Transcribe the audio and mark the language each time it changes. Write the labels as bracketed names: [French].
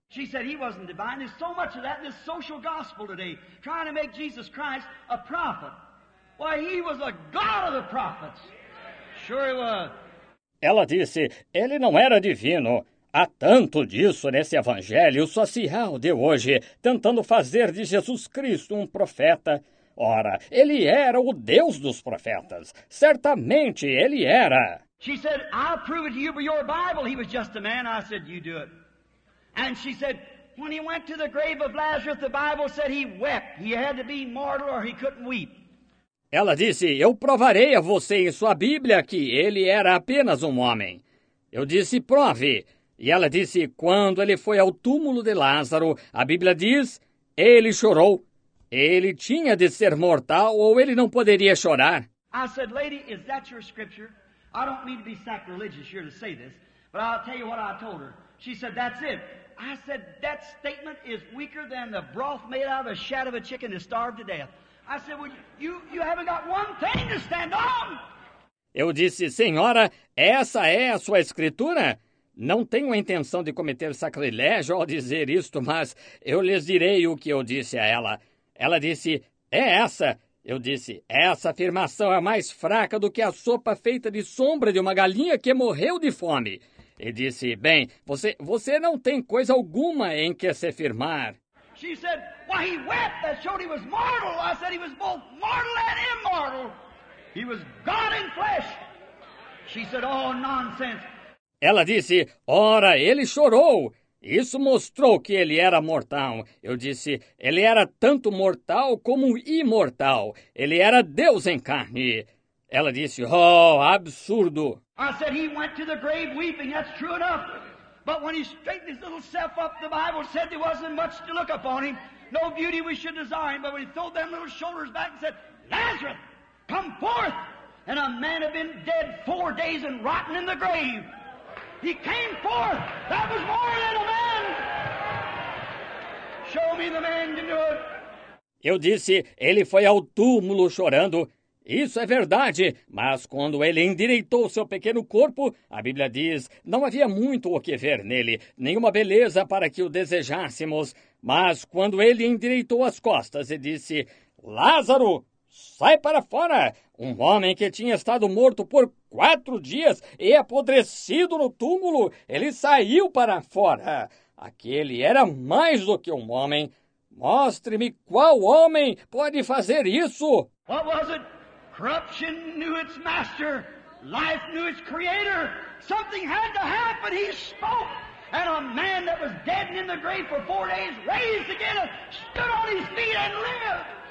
[English] She said he wasn't divine. There's so much of that in this social gospel today, trying to make Jesus Christ a prophet. Why, he was a God of the prophets. Sure he was. [Portuguese] Ela disse, ele não era divino. Há tanto disso nesse evangelho social de hoje, tentando fazer de Jesus Cristo um profeta. Ora, ele era o Deus dos profetas. Certamente ele era. [English] She said, I'll prove it to you by your Bible. He was just a man. I said, you do it. And she said, when he went to the grave of Lazarus, the Bible said he wept. He had to be mortal or he couldn't weep. [Portuguese] Ela disse, eu provarei a você em sua Bíblia que ele era apenas um homem. Eu disse, prove. E ela disse, quando ele foi ao túmulo de Lázaro, a Bíblia diz, ele chorou. Ele tinha de ser mortal ou ele não poderia chorar. [English] I said, lady, is that your scripture? I don't mean to be sacrilegious here to say this, but I'll tell you what I told her. She said, that's it. I said, that statement is weaker than the broth made out of the shad of a chicken that starved to death. I said, well, you haven't got one thing to stand on. [Portuguese] Eu disse, senhora, essa é a sua escritura? Não tenho a intenção de cometer sacrilégio ao dizer isto, mas eu lhes direi o que eu disse a ela. Ela disse, é essa. Eu disse, essa afirmação é mais fraca do que a sopa feita de sombra de uma galinha que morreu de fome. E disse, bem, você não tem coisa alguma em que se afirmar. [English] She said, why he wept, that showed he was mortal. I said, he was both mortal and immortal. He was God in flesh. She said, oh, nonsense. [Portuguese] Ela disse, ora, ele chorou. Isso mostrou que ele era mortal. Eu disse, ele era tanto mortal como imortal. Ele era Deus em carne. Ela disse, oh, absurdo. [English] I said, he went to the grave weeping. That's true enough. But when he straightened his little self up, the Bible said there wasn't much to look upon him. No beauty we should desire him. But when he threw them little shoulders back and said, Lazarus, come forth. And a man had been dead 4 days and rotten in the grave. He came forth. That was more than a man. Show me the man to do it. [Portuguese] Eu disse, ele foi ao túmulo chorando. Isso é verdade, mas quando ele endireitou seu pequeno corpo, a Bíblia diz, não havia muito o que ver nele, nenhuma beleza para que o desejássemos. Mas quando ele endireitou as costas e disse, Lázaro, sai para fora! Um homem que tinha estado morto por 4 dias e apodrecido no túmulo, ele saiu para fora. Aquele era mais do que um homem. Mostre-me qual homem pode fazer isso. [English] What was it? Corruption knew its master. Life knew its creator. Something had to happen. He spoke. And a man that was dead and in the grave for 4 days raised again and stood on his feet and lived.